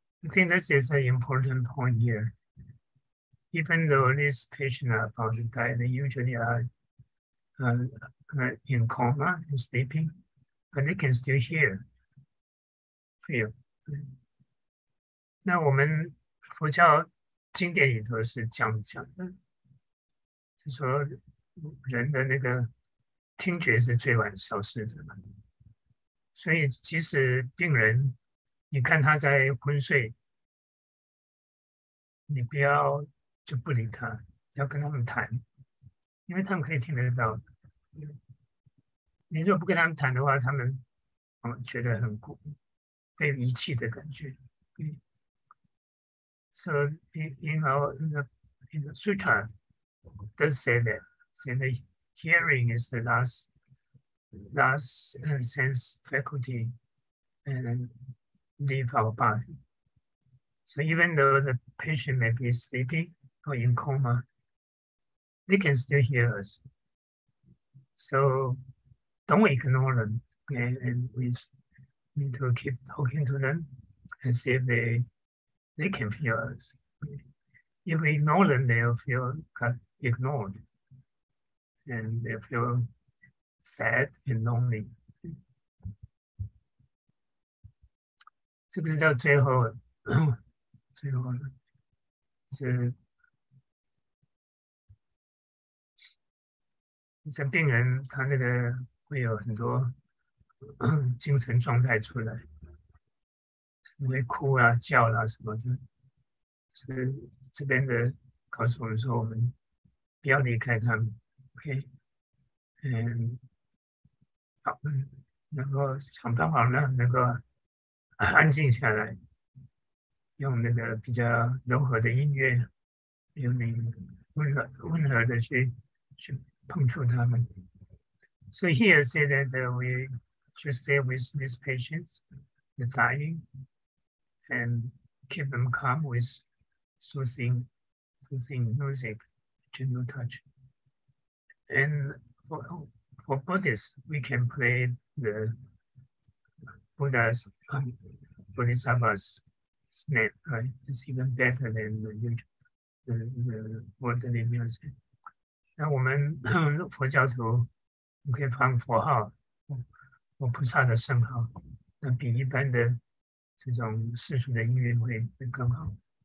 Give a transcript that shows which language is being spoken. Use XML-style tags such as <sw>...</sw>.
<en>I think this is an important point here. Even though these patients are about to die, they usually are in coma and sleeping, but they can still hear, feel.</en> <zh>那我们佛教经典里头是这样讲的，就说人的那个听觉是最晚消失的，所以即使病人，你看他在昏睡，你不要就不理他，要跟他们谈，因为他们可以听得到。你如果不跟他们谈的话，他们觉得很孤，被遗弃的感觉。</zh> <en>So in the sutra does say that hearing is the last sense faculty and leave our body. So even though the patient may be sleeping or in coma, they can still hear us. So don't ignore them, and we need to keep talking to them and see if they can hear us. If we ignore them, they'll feel ignored and they feel sad and lonely.</en> <zh>这个是到最后，最后呢，是这病人他那个会有很多精神状态出来，会哭啊、叫啊什么的。是这边的告诉我们说，我们不要离开他们，OK，好，能够想办法让能够安静下来，用那个比较柔和的音乐，用那温和的去碰触他们。</zh> <en>So here say that we should stay with these patients, the dying, and keep them calm with soothing music, gentle touch. And for Buddhists, we can play the Buddha's Bodhisattva's name, right? It's even better than the worldly music.</en> <zh>那我们佛教徒，你可以放佛号，或菩萨的圣号，那比一般的这种世俗的音乐会更好。</zh>